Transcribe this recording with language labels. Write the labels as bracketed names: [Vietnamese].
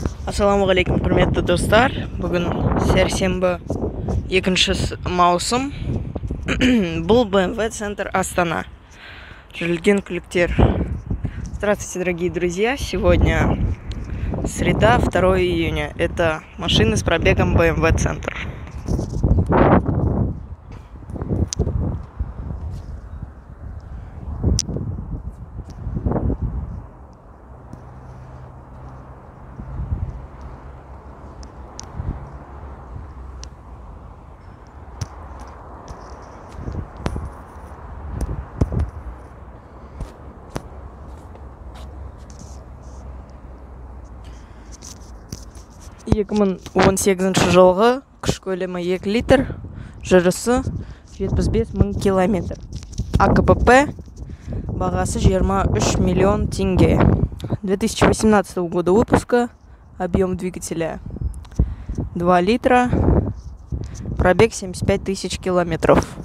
[Kazakh] Ассаламу алейкум, құрметті достар. Бүгін сәрсенбі, 2 маусым. Бұл BMW центр Астана. Жүлген күліктер. [Russian] Здравствуйте, дорогие друзья. Сегодня среда, 2 июня. Это машины с пробегом BMW центр. [Kazakh] Екімін 18 жылғы күш көлемі 2 литр, жүрісі 75 мүн километр. АКПП бағасы 23 миллион тенге. [Russian] 2018 года выпуска, объем двигателя 2 литра, пробег 75 тысяч километров.